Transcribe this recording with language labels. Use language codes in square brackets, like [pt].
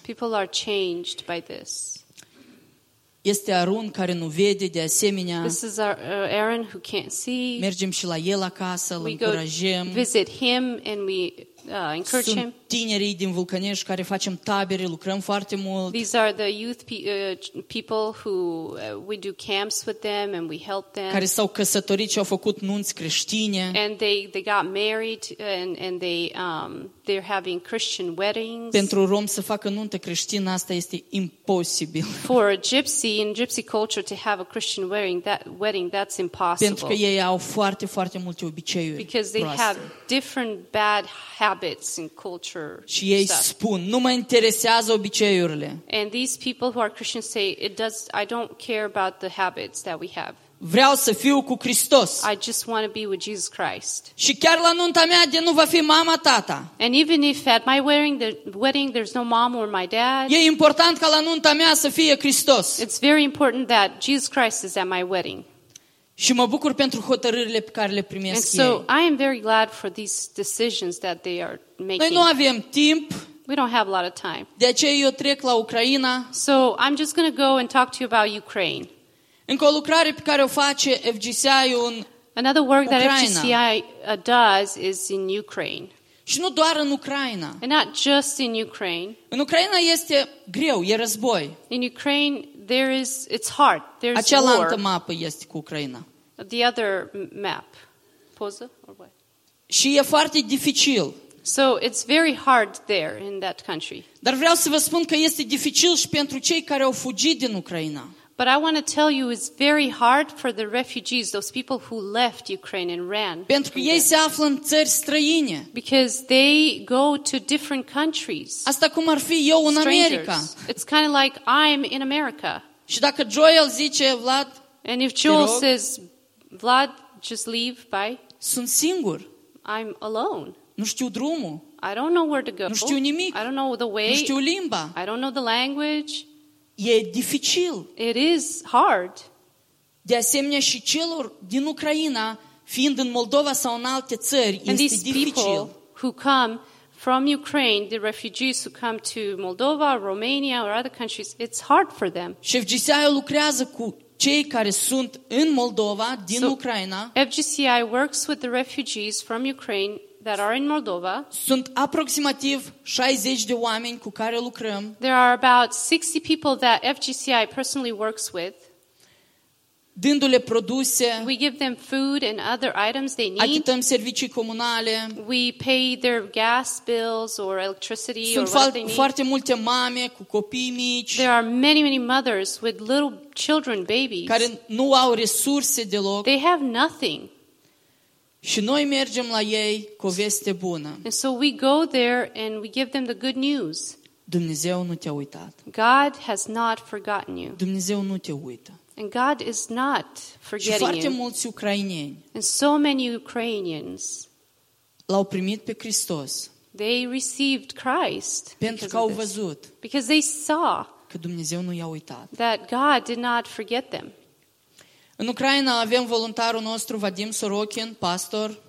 [en] People are changed by this. [ro] Este Arun care nu vede, de asemenea. [en] This is our Aaron who can't see. [ro] Mergem și la el acasă, îl încurajăm. [en] We go visit him and we encourage [ro] sunt [en] him. [ro] Sunt tinerii din Vulcănești care facem tabere, lucrăm foarte mult. [en] These are the youth people who we do camps with them and we help them. [ro] Care s-au căsătorit și au făcut nunți creștine. [en] And they got married and they're having Christian weddings. [ro] Pentru rom să facă nuntă creștină, asta este imposibil. [en] For a gypsy in gypsy culture to have a Christian wedding, that's impossible. [ro] Pentru că ei au foarte, foarte multe obiceiuri. [en] Because they [ro] proaste. [en] Have different bad habits and culture. [ro] Și ei [en] stuff. [ro] Spun, nu mă interesează obiceiurile. [en] And these people who are Christians say, I don't care about the habits that we have. [ro] Vreau să fiu cu Hristos. [en] I just want to be with Jesus Christ. [ro] Și chiar la nunta mea de nu va fi mama tata. [en] And even if at my wedding there's no mom or my dad. [ro] E important ca la nunta mea să fie Hristos. [en] It's very important that Jesus Christ is at my wedding. [ro] Și mă bucur pentru hotărârile pe care le primesc [en] and [ro] ei. [en] So I am very glad for these decisions that they are making. [ro] Noi nu avem timp. [en] We don't have a lot of time. [ro] De aceea eu trec la Ucraina. [en] So I'm just going to go and talk to you about Ukraine. [ro] Încă o lucrare pe care o face FGCI-ul în [en] Another work [ro] Ucraina. [en] That FGCI does is in Ukraine. [ro] Și nu doar în Ucraina. [en] And not just in Ukraine. [ro] În Ucraina este greu, e război. [en] In Ucraine there is it's hard. There's war. [ro] Acealaltă mapă este cu Ucraina. [en] The other map. Poză or what? [ro] Și e foarte dificil. [en] So it's very hard there in that country. [ro] Dar vreau să vă spun că este dificil și pentru cei care au fugit din Ucraina. [en] But I want to tell you, it's very hard for the refugees, those people who left Ukraine and ran. [ro] Pentru că ei se află în țări străine. [en] Because they go to different countries. [ro] Asta cum ar fi eu în America. [en] It's kind of like I'm in America. [ro] Și dacă Joel zice, Vlad, [en] and if Joel says, Vlad, just leave, bye. [ro] Sunt singur. [en] I'm alone. [ro] Nu știu drumul. [en] I don't know where to go. [ro] Nu știu nimic. [en] I don't know the way. [ro] Nu știu limba. [en] I don't know the language. [ro] E dificil. [en] It is hard. [ro] De asemenea și celor din Ucraina, fiind în Moldova sau în alte țări, [en] and [ro] este dificil. [en] And these people who come from Ukraine, the refugees who come to Moldova, Romania or other countries, it's hard for them. [ro] Și FGCI lucrează cu cei care sunt în Moldova, din Ucraina. [en] FGCI works with the refugees from Ukraine that are in Moldova. [ro] Sunt aproximativ 60 de oameni cu care lucrăm. [en] There are about 60 people that FGCI personally works with. [ro] Dându-le produse. [en] We give them food and other items they need. [ro] Achităm servicii comunale. [en] We pay their gas bills or electricity [ro] sunt [en] or what they need. [ro] Foarte multe mame cu copii mici. [en] There are many, many mothers with little children, babies. [ro] Care nu au resurse deloc. [en] They have nothing. [ro] Și noi mergem la ei cu o veste bună. [en] And so we go there and we give them the good news. [ro] Dumnezeu nu te-a uitat. [en] God has not forgotten you. [ro] Dumnezeu nu te uită. [en] And God is not forgetting [ro] you. Și foarte mulți ucraineni. [en] And so many Ukrainians. [ro] L-au primit pe Hristos. [en] They received Christ. [ro] Pentru că au văzut. [en] Because they saw. [ro] Că Dumnezeu nu i-a uitat. [en] That God did not forget them. [ro] În Ucraina avem voluntarul nostru Vadim Sorokin, pastor.